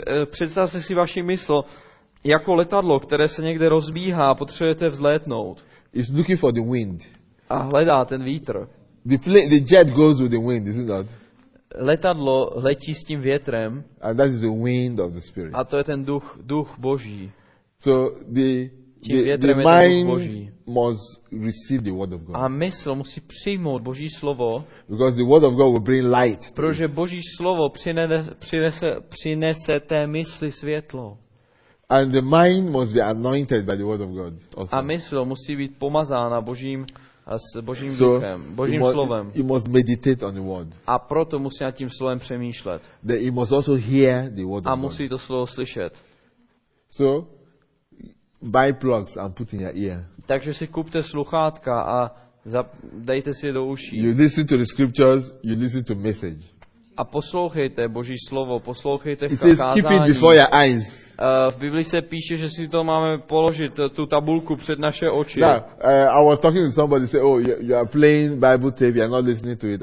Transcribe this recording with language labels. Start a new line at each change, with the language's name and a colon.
Czech: Představte si vaši mysl jako letadlo, které se někde rozbíhá a potřebujete vzlétnout.
English: It's looking for the wind.
Czech: A hledá ten vítr.
English: The jet goes with the wind, isn't it?
Czech: Letadlo letí s tím větrem.
English: And that is the wind of the spirit.
Czech: A to je ten duch Boží.
English: So the mind must receive the word of God.
Czech: A mysl musí přijmout Boží slovo.
English: Because the word of God will bring light.
Czech: Protože Boží slovo přinese té mysli světlo.
English: And the mind must be anointed by the word of God. Also.
Czech: A mysl musí být pomazána Božím duchem, Božím slovem.
English: He must meditate on the word.
Czech: A proto musí nad tím slovem přemýšlet.
English: Then he must also hear the word of God.
Czech: A musí to slovo slyšet.
English: So buy plugs and put in your ear.
Czech: Takže si kupte sluchátka a dejte si je do uší.
English: You listen to the scriptures, you listen to message.
Czech: A poslouchejte Boží slovo, poslouchejte v kázání.
English: Keep it before your eyes.
Czech: V Biblii se píše, že si to máme položit tu tabulku před naše oči.
English: Now, I was talking to somebody say, "Oh, you are playing Bible tape, you are not listening to it."